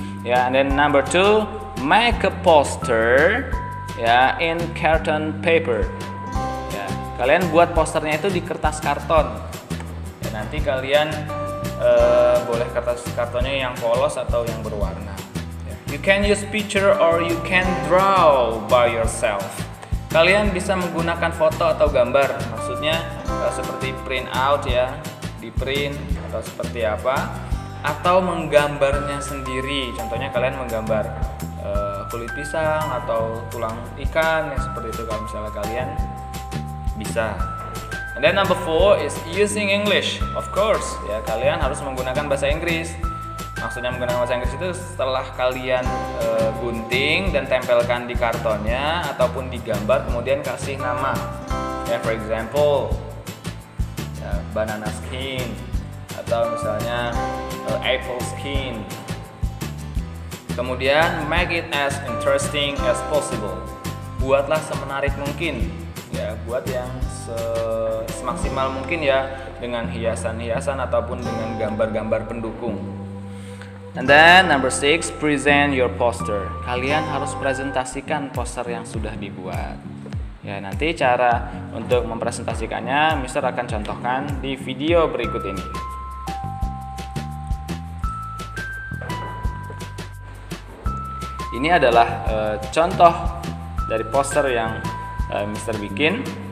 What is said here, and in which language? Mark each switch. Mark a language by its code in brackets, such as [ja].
[en] Ya, and then number 2, make a poster ya, in carton paper. [id] Ya, kalian buat posternya itu di kertas karton. Ya, nanti kalian boleh kertas kartonnya yang polos atau yang berwarna. [en] You can use picture or you can draw by yourself. [id] Kalian bisa menggunakan foto atau gambar, maksudnya seperti print out ya, di print atau seperti apa, atau menggambarnya sendiri. Contohnya kalian menggambar kulit pisang atau tulang ikan ya, seperti itu kalau misalnya kalian bisa. [en] And then number 4 is using English, of course. [id] Ya, kalian harus menggunakan bahasa Inggris. Maksudnya menggunakan bahasa Inggris itu setelah kalian gunting dan tempelkan di kartonnya ataupun di gambar, kemudian kasih nama. [en] Ya, for example, ya, banana skin [id] atau misalnya [en] apple skin. Kemudian make it as interesting as possible. [id] Buatlah semenarik mungkin. Ya, buat yang semaksimal mungkin ya, dengan hiasan-hiasan ataupun dengan gambar-gambar pendukung. [en] And then number 6, present your poster. [id] Kalian harus presentasikan poster yang sudah dibuat. Ya, nanti cara untuk mempresentasikannya Mister akan contohkan di video berikut ini. Ini adalah contoh dari poster yang Mister bikin.